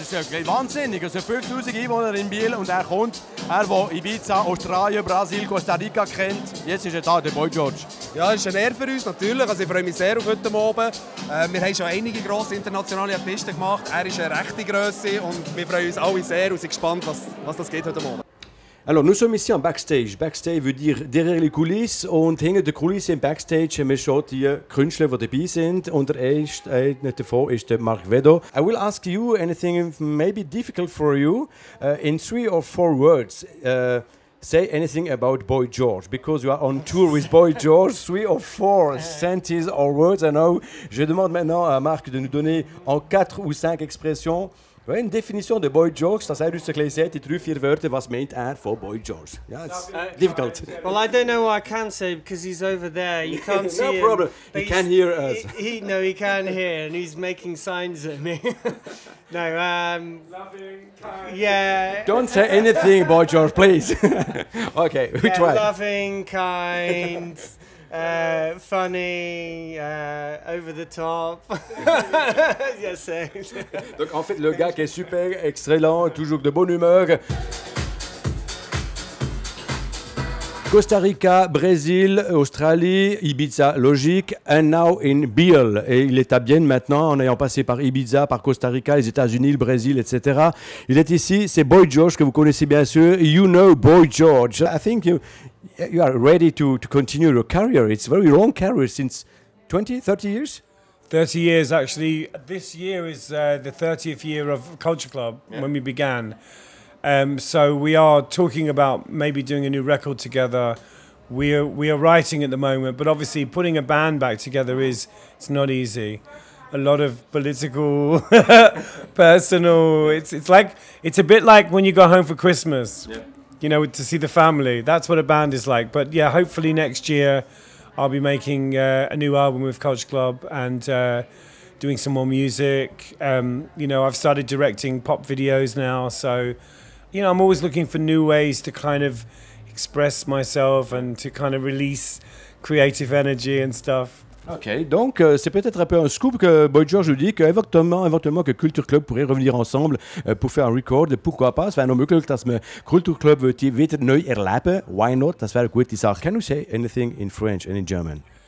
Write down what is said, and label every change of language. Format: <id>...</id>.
<de>Das ist ja wahnsinnig. Also 5'000 Einwohner in Biel und er kommt, er, der Ibiza, Australien, Brasilien, Costa Rica kennt. Jetzt ist er da, der Boy George. Ja, das ist eine Ehre für uns, natürlich. Also ich freue mich sehr auf heute Abend. Wir haben schon einige grosse internationale Artisten gemacht. Er ist eine rechte Grösse und wir freuen uns alle sehr und sind gespannt, was das geht heute Abend.</de> <fr>Alors, nous sommes ici en backstage. Backstage veut dire derrière les coulisses.</fr> <de>Und hinter den Kulissen im Backstage haben wir schon die Künstler, die dabei sind. Und der erste davon ist Marc Vedo.</de> <en>I will ask you anything maybe difficult for you. In 3 or 4 words, say anything about Boy George. Because you are on tour with Boy George. 3 or 4 sentences or words. I know.</en> <fr>Je demande maintenant à Marc de nous donner en 4 ou 5 expressions. Ouais, une définition de Boy George, c'est juste que les 3 ou 4 words,</fr> <de>was meint er</de> <fr>for Boy George?</fr> <en>Yeah, it's difficult. Well, I don't know what I can say because he's over there. You can't see no problem. Him, he can hear us. He can hear and he's making signs at me. No, loving, kind. Yeah. Don't say anything, Boy George, please. Okay, we try. Loving, kind. funny, over the top. Yes,</en> <fr>donc en fait, le gars qui est super, excellent, toujours de bonne humeur. Costa Rica, Brésil, Australie, Ibiza, logique,</fr> <en>and now in Biel.</en> <fr>Et il est à Bien maintenant, en ayant passé par Ibiza, par Costa Rica, les États-Unis, le Brésil, etc. Il est ici, c'est Boy George que vous connaissez bien sûr.</fr> <en>You know Boy George. I think you are ready to continue your career. It's a very long career since 20, 30 years? 30 years, actually. This year is the 30th year of Culture Club, yeah. When we began. So we are talking about maybe doing a new record together. We are writing at the moment, but obviously putting a band back together it's not easy. A lot of political, personal. It's a bit like when you go home for Christmas, yeah. You know, to see the family. That's what a band is like. But yeah, hopefully next year I'll be making a new album with Culture Club and doing some more music. You know, I've started directing pop videos now, so. You know, I'm always looking for new ways to kind of express myself and to kind of release creative energy and stuff.</en> <fr>Okay, donc c'est peut-être un peu un scoop que Boy George nous dit qu'éventuellement que Culture Club pourrait revenir ensemble pour faire un record, pourquoi pas? C'est un</fr> <de>möglich, dass man Culture Club würde wieder neu erleben.</de> <en>Why not?</en> <de>Das wäre gute Sache.</de> <en>Can you say anything in French and in German?</en>